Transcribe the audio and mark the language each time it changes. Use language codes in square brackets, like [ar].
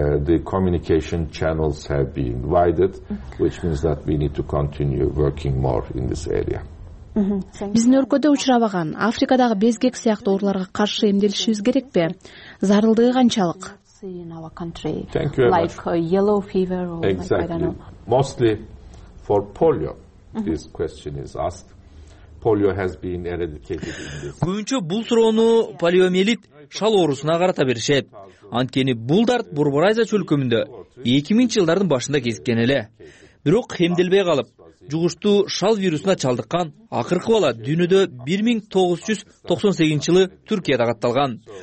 [en] The communication channels have been widened, which means that we need to continue working more in this area. [ky] Биздин өлкөдө учурабаган Африкадагы безгек сыяктуу ооруларга каршы эмделишибиз керекпи? Зарылдыгы канчалык? [en] Thank you very much. Like yellow fever or exactly. Like, I don't know. Mostly for polio, this question is asked. Polio has been eradicated in this. [ky] Көбүнчө бул суроону полиомиелит шал оорусуна карата беришет. Анткени бул дарт Борбор Азия өлкөмүндө 2000 жылдардын башында кезиккен эле. Бирок эмделбей калып, жугуштуу шал вирусуна чалдыккан акыркы бала дүйнөдө 1998 жылы Түркияда катталган.